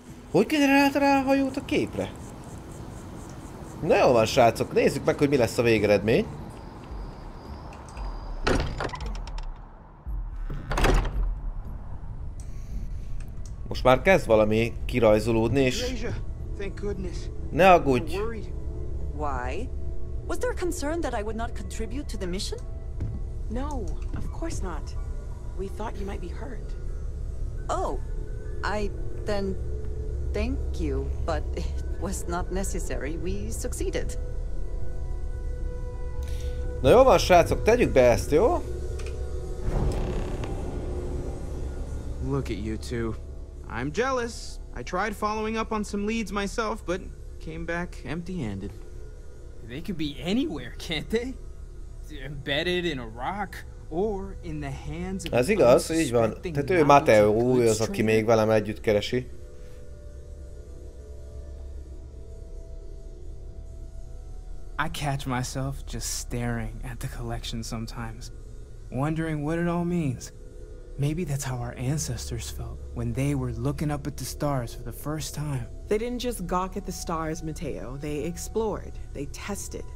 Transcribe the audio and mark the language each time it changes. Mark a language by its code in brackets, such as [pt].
[hu] Hogy generált rá a hajót a képre? Na jól van, srácok, nézzük meg, hogy mi lesz a végeredmény. Most már kezd valami kirajzolódni, és... Ne aggódj! [en] Why? Was there a concern that I would not contribute to the mission? No, of course not. We thought you might be hurt. Oh, I then thank you, but it was not necessary. We succeeded. [hu] Na jó van, srácok, tegyük be ezt, jó? [en] Look at you two. I'm jealous. I tried following up on some leads myself, but came back empty-handed. They could be anywhere, can't they? Embedded in a rock or in the hands of... [hu] Ez igaz, így van. Tehát ő Mateo, ő az, aki még velem együtt keresi. [en] I catch myself just staring at the collection sometimes, wondering what it all means. Maybe that's how our ancestors felt when they were looking up at the stars for the first time. They didn't just gawk at the stars, Mateo. They explored. They tested.